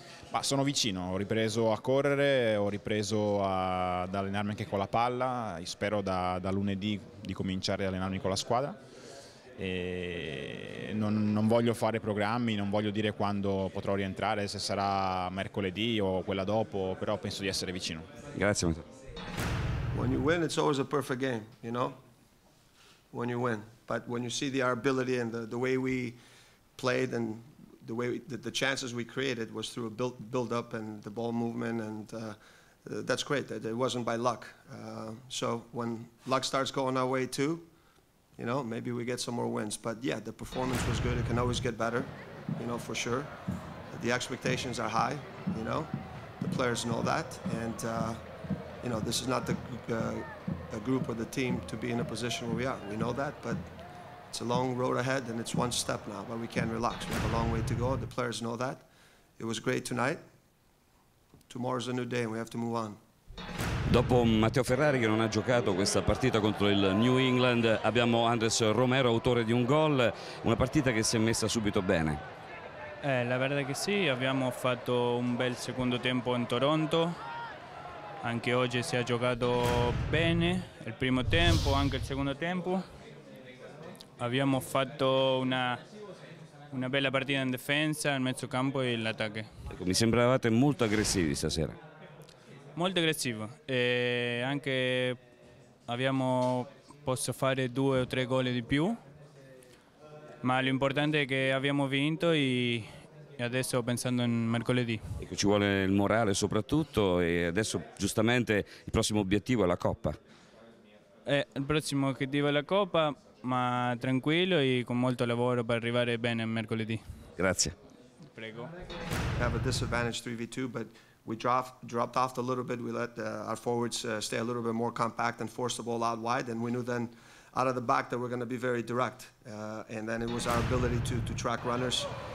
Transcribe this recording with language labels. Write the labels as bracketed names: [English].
[Italian] Ma sono vicino, ho ripreso a correre, ho ripreso ad allenarmi anche con la palla, spero da lunedì di cominciare ad allenarmi con la squadra. E non voglio fare programmi, non voglio dire quando potrò rientrare, se sarà mercoledì o quella dopo, però penso di essere vicino. Grazie. [English] When you win it's always a perfect game, you know? When you win, but when you see the our ability and the way we played and the way the chances we created was through a build up and the ball movement, and that's great. It wasn't by luck. So when luck starts going our way too, you know, maybe we get some more wins. But yeah, the performance was good. It can always get better, you know, for sure. The expectations are high, you know. The players know that, and you know, this is not the group or the team to be in a position where we are. We know that, but it's a long road ahead and it's one step now, but we can't relax. We have a long way to go. The players know that. It was great tonight. Tomorrow's a new day and we have to move on. [Italian] Dopo Matteo Ferrari, che non ha giocato questa partita contro il New England, abbiamo Andres Romero, autore di un gol. Una partita che si è messa subito bene. La verità è che sì, abbiamo fatto un bel secondo tempo in Toronto. Anche oggi si è giocato bene il primo tempo, anche il secondo tempo. Abbiamo fatto una bella partita in difesa, in mezzo campo e in attacco. Ecco, mi sembravate molto aggressivi stasera. Molto aggressivo. E anche abbiamo posso fare due o tre gol di più. Ma l'importante è che abbiamo vinto e adesso pensando in mercoledì. Ecco, ci vuole il morale soprattutto e adesso giustamente il prossimo obiettivo è la Coppa. Il prossimo obiettivo è la Coppa. Ma tranquillo e con molto lavoro per arrivare bene mercoledì. Grazie. Prego. [English] We have a disadvantage 3v2, but we dropped off a little bit. We let our forwards stay a little bit more compact and force the ball out wide. And we knew then out of the back that we're going to be very direct. And then it was our ability to track runners.